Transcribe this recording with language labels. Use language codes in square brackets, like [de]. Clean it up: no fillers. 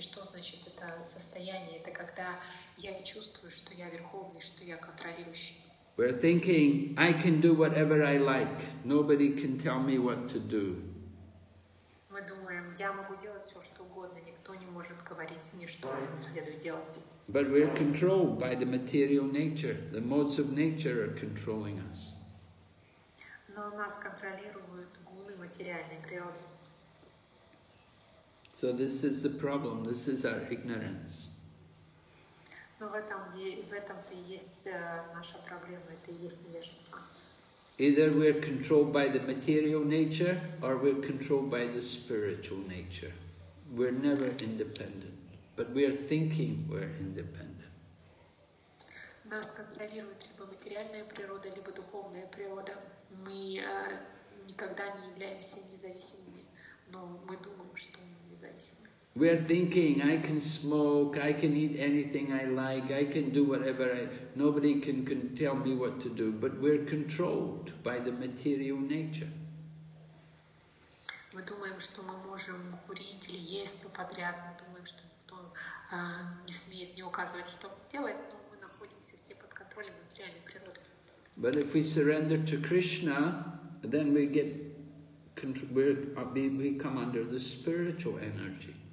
[ru] Что значит это состояние? Это когда я чувствую, что я верховный, что я контролирующий. [en] We're thinking, I can do whatever I like. Nobody can tell me what to do. [ru] Мы думаем, я могу делать все, что угодно. Никто не может говорить мне, что мне следует делать. [en] But we're controlled by the material nature. The modes of nature are controlling us. [ru] Но нас контролируют гуны материальной природы. [en] So this is the problem, this is our ignorance. [ru] Но в этом-то и есть наша проблема, это и есть невежество. [en] Either we're controlled by the material nature, or we're controlled by the spiritual nature. We're never independent, but we are thinking we're independent. [ru] Нас контролирует либо материальная природа, либо духовная природа. Мы никогда не являемся независимыми, но мы думаем, что мы независимы. [en] We are thinking, I can smoke, I can eat anything I like, I can do whatever I... Nobody can tell me what to do, but we're controlled by the material nature. [ru] Мы думаем, что мы можем курить или есть все подряд, мы думаем, что никто не смеет не указывать, что делать, но мы находимся все под контролем материальной природы. [en] But if we surrender to Krishna, then we get we come under the spiritual energy.